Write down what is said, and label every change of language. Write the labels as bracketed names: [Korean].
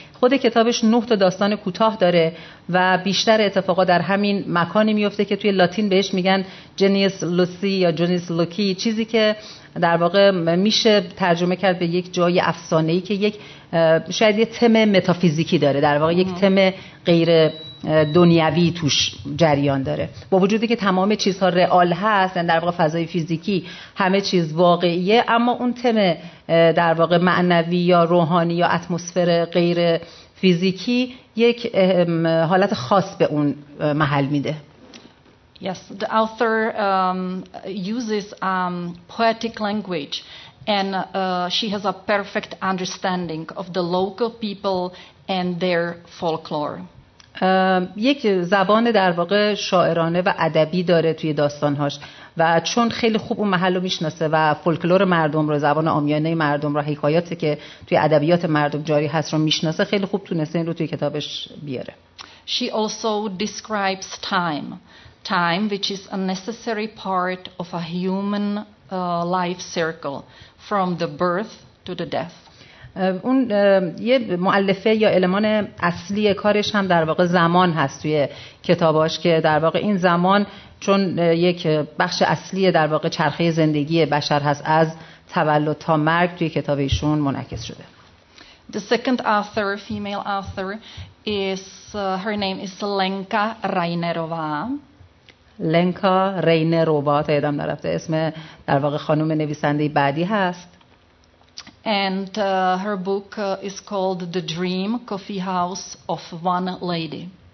[Persian] خود کتابش 9 تا داستان کوتاه داره و بیشتر اتفاقا در همین مکانی میفته که توی لاتین بهش میگن جنیس لوسی یا جنیس لوکی، چیزی که در واقع میشه ترجمه کرد به یک جای افسانه‌ای که یک شاید یه تم متافیزیکی داره، در واقع یک تم غیر دنیوی توش جریان داره. با وجودی که تمام چیزها رئال هست، در واقع فضای فیزیکی همه چیز واقعیه، اما اون تم در واقع معنوی یا روحانی یا اتمسفر غیر فیزیکی یک حالت خاص به اون محل میده. [English] Yes, the author uses poetic language and she has a perfect understanding of the local people and their folklore. [Persian] یک زبان در واقع شاعرانه و ادبی داره توی داستانهاش و چون خیلی خوب اون محل رو میشناسه و فولکلور مردم رو، زبان عامیانه مردم رو، حکایاتی که توی ادبیات مردم جاری هست رو میشناسه، خیلی خوب تونسته این رو توی کتابش بیاره. [English] She also describes time which is a necessary part of a human life circle from the birth to the death. [Persian] اون یه مؤلفه یا المان اصلی کارش هم در واقع زمان هست توی کتاباش، که در واقع این زمان چون یک بخش اصلی در واقع چرخه زندگی بشر هست از تولد تا مرگ توی کتاب ایشون منعکس شده. [English] The second author, female author, is her name is Lenka Reinerová. [Persian] Lenka Reinerová تا یادم نرفته اسم در واقع خانم نویسنده بعدی هست. [English] And her book is called The Dream Coffee House of One Lady.